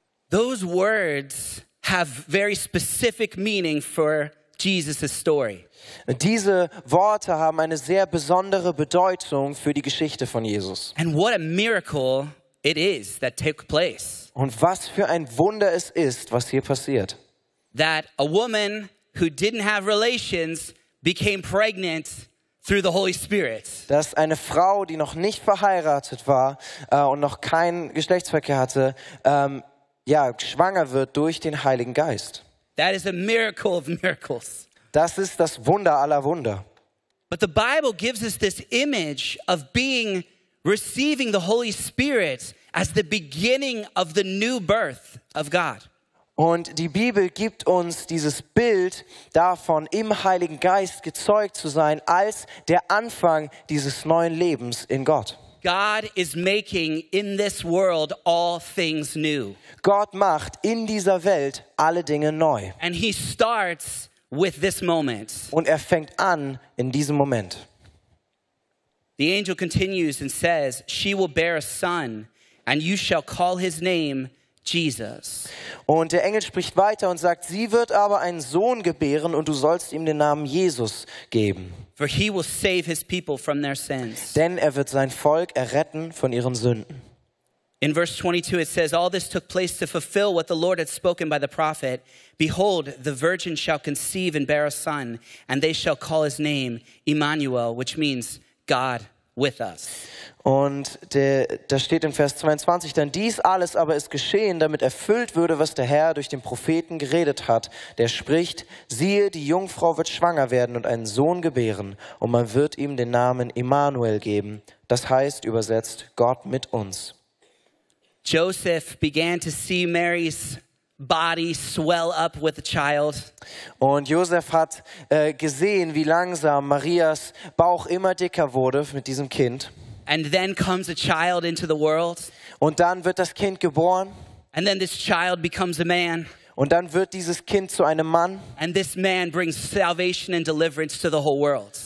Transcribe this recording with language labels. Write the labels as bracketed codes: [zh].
[en] Those words have very specific meaning for Jesus' story. [de] Diese Worte haben eine sehr besondere Bedeutung für die Geschichte von Jesus. [en] And what a miracle it is that took place. [de] Und was für ein Wunder es ist, was hier passiert. [en] That a woman who didn't have relations became pregnant through the Holy Spirit. [de] Dass eine Frau, die noch nicht verheiratet war und noch keinen Geschlechtsverkehr hatte, schwanger wird durch den Heiligen Geist. [en] That is a miracle of miracles. [de] Das ist das Wunder aller Wunder. [en] But the Bible gives us this image of being receiving the Holy Spirit as the beginning of the new birth of God. [de] Und die Bibel gibt uns dieses Bild davon, im Heiligen Geist gezeugt zu sein, als der Anfang dieses neuen Lebens in Gott. [en] God is making in this world all things new. [de] Gott macht in dieser Welt alle Dinge neu. [en] And he starts with this moment. [de] Und fängt an in diesem Moment. [en] The angel continues and says, she will bear a son and you shall call his name Jesus. [de] Und der Engel spricht weiter und sagt, sie wird aber einen Sohn gebären und du sollst ihm den Namen Jesus geben. [en] For he will save his people from their sins. [de] Denn wird sein Volk erretten von ihren Sünden. [en] In verse 22 it says, all this took place to fulfill what the Lord had spoken by the prophet. Behold, the virgin shall conceive and bear a son, and they shall call his name Emmanuel, which means God with us. [de] Und da steht in Vers 22, denn dies alles aber ist geschehen, damit erfüllt würde, was der Herr durch den Propheten geredet hat, der spricht, siehe, die Jungfrau wird schwanger werden und einen Sohn gebären und man wird ihm den Namen Emmanuel geben, das heißt übersetzt Gott mit uns. [en] Joseph began to see Mary's body swell up with the child. [de] Und Josef hat gesehen, wie langsam Marias Bauch immer dicker wurde mit diesem Kind. [en] And then comes a child into the world. [de] Und dann wird das Kind geboren. [en] And then this child becomes a man. [de] Und dann wird dieses Kind zu einem Mann. [en] And this man brings salvation and deliverance to the whole world.